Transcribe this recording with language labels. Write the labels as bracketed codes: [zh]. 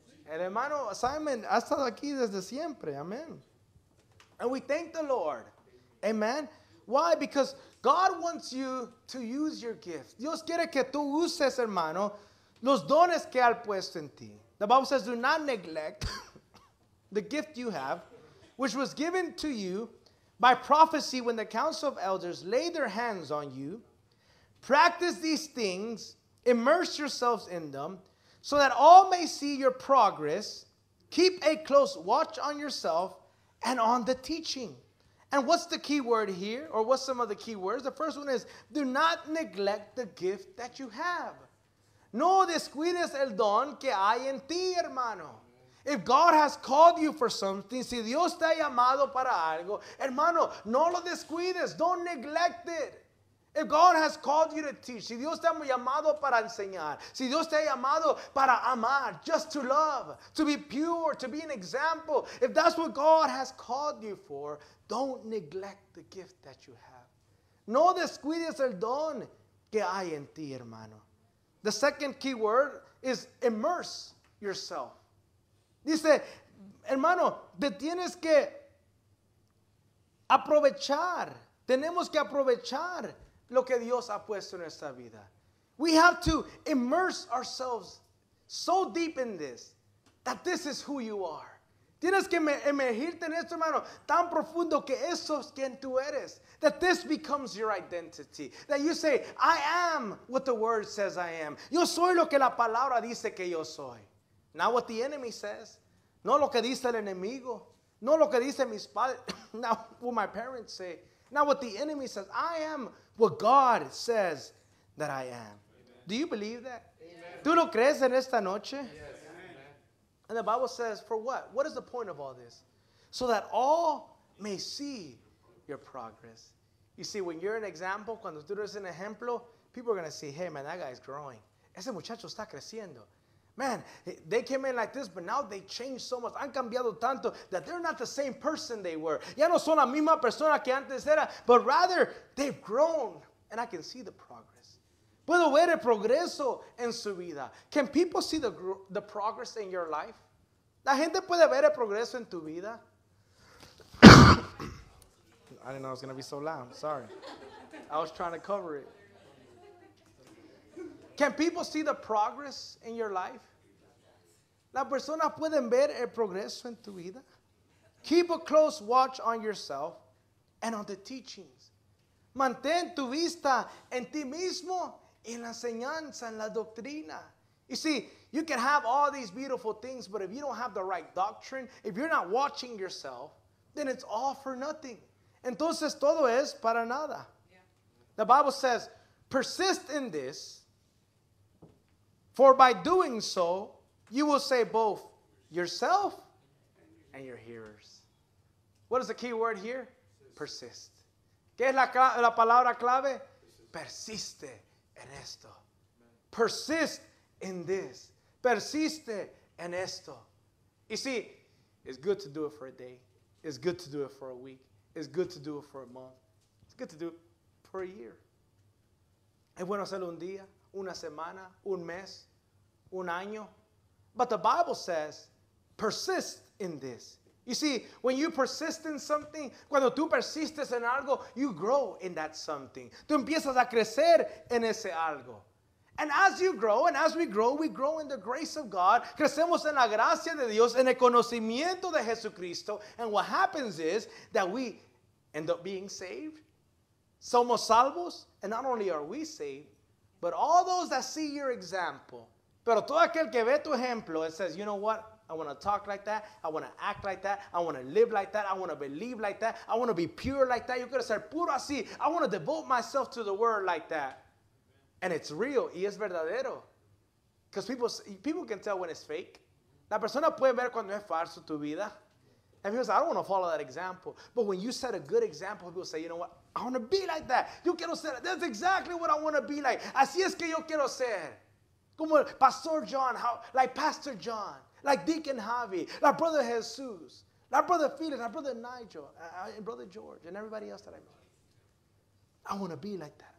[es] El hermano Simon ha estado aquí desde siempre. [en] Amen. And we thank the Lord. Amen. Why? Because God wants you to use your gift. [es] Dios quiere que tú uses, hermano, los dones que ha puesto en ti. [en] The Bible says, do not neglect the gift you have, which was given to you by prophecy, when the council of elders laid their hands on you. Practice these things, immerse yourselves in them, so that all may see your progress. Keep a close watch on yourself and on the teaching. And what's the key word here, or what's some of the key words? The first one is, do not neglect the gift that you have. [es] No descuides el don que hay en ti, hermano. [en] If God has called you for something, [es] si Dios te ha llamado para algo, hermano, no lo descuides. [en] Don't neglect it. If God has called you to teach, [es] si Dios te ha llamado para enseñar, si Dios te ha llamado para amar, [en] just to love, to be pure, to be an example, if that's what God has called you for, don't neglect the gift that you have. [es] No descuides el don que hay en ti, hermano. [en] The second key word is immerse yourself. [es] Dice, hermano, te tienes que aprovechar. Tenemos que aprovechar lo que Dios ha puesto en nuestra vida. [en] We have to immerse ourselves so deep in this, that this is who you are. [es] Tienes que emergirte en esto, hermano, tan profundo que eso es quien tú eres. [en] That this becomes your identity. That you say, I am what the word says I am. [es] Yo soy lo que la palabra dice que yo soy. [en] Not what the enemy says. [es] No lo que dice el enemigo. No lo que dice mis padres. [en] Not what my parents say. Not what the enemy says. I am what God says that I am. Amen. Do you believe that? Amen. [es] ¿Tú lo crees en esta noche? [en] Yes. And the Bible says, for what? What is the point of all this? So that all may see your progress. You see, when you're an example, [es] cuando tú eres un ejemplo, [en] people are going to see, hey, man, that guy's growing. [es] Ese muchacho está creciendo. [en] Man, they came in like this, but now they changed so much. [es] Han cambiado tanto [en] that they're not the same person they were. [es] Ya no son la misma persona que antes era, [en] but rather they've grown. And I can see the progress. [es] Puedo ver el progreso en su vida. [en] Can people see the progress in your life? [es] La gente puede ver el progreso en tu vida. [en] I didn't know it was going to be so loud. Sorry. I was trying to cover it. Can people see the progress in your life? [es] ¿La persona pueden ver el progreso en tu vida? [en] Keep a close watch on yourself and on the teachings. [es] Mantén tu vista en ti mismo y en la enseñanza, en la doctrina. [en] You see, you can have all these beautiful things, but if you don't have the right doctrine, if you're not watching yourself, then it's all for nothing. [es] Entonces, todo es para nada. [en] Yeah. The Bible says, persist in this, for by doing so, you will save both yourself and your hearers. What is the key word here? Persist. [es] ¿Qué es la palabra clave? Persiste en esto. [en] Persist in this. [es] Persiste en esto. [en] You see, it's good to do it for a day. It's good to do it for a week. It's good to do it for a month. It's good to do it for a year. [es] Es bueno hacerlo un día, una semana, un mes, un año. [en] But the Bible says, persist in this. You see, when you persist in something, [es] cuando tú persistes en algo, [en] you grow in that something. [es] Tú empiezas a crecer en ese algo. [en] And as you grow, and as we grow in the grace of God. [es] Crecemos en la gracia de Dios, en el conocimiento de Jesucristo. [en] And what happens is that we end up being saved. [es] Somos salvos. [en] And not only are we saved, but all those that see your example. [es] Pero todo aquel que ve tu ejemplo, [en] it says, you know what? I want to talk like that. I want to act like that. I want to live like that. I want to believe like that. I want to be pure like that. [es] Yo quiero ser puro así. [en] I want to devote myself to the word like that. And it's real. [es] Y es verdadero. [en] Because people can tell when it's fake. [es] La persona puede ver cuando es falso tu vida. [en] And people say, I don't want to follow that example. But when you set a good example, people say, you know what? I want to be like that. [es] Yo quiero ser. [en] That's exactly what I want to be like. [es] Así es que yo quiero ser. Como Pastor John. [en] Like Pastor John. Like Deacon Javi. Like Brother Jesus. Like Brother Felix. Like Brother Nigel. And Brother George. And everybody else that I know. I want to be like that.